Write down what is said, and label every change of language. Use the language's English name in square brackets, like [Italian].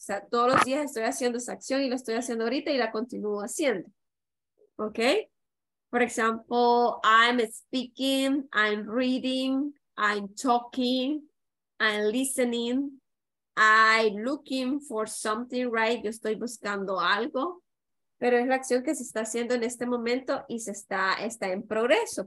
[Spanish] O sea, todos los días estoy haciendo esa acción y lo estoy haciendo ahorita y la continúo haciendo. ¿Ok? [English] For example, I'm speaking, I'm reading, I'm talking, I'm listening, I'm looking for something, right? [Spanish] Yo estoy buscando algo. Pero es la acción que se está haciendo en este momento y se está en progreso.